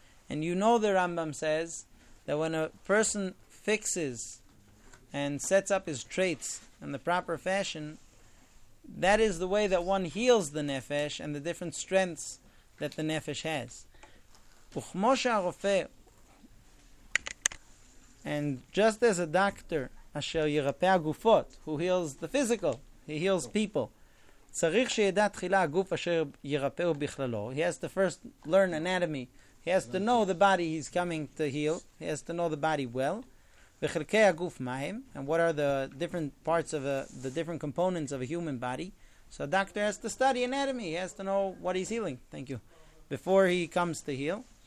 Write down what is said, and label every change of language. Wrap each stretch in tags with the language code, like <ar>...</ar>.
<en>And you know, the Rambam says, that when a person fixes and sets up his traits in the proper fashion, that is the way that one heals the nefesh and the different strengths that the nefesh has.</en> <he>Uchmo sha'arofe,</he> <en>and just as a doctor,</en> <he>asher yirapea gufot,</he> <en>who heals the physical, he heals people.</en> <he>צריך שידע תחילה הגוף אשר ירפאו בכללו.</he> <en>He has to first learn anatomy. He has to know the body he's coming to heal. He has to know the body well.</en> <he>וחלקי הגוף מהם?</he> <en>And what are the different parts of the different components of a human body? So a doctor has to study anatomy. He has to know what he's healing. Thank you. Before he comes to heal.</en>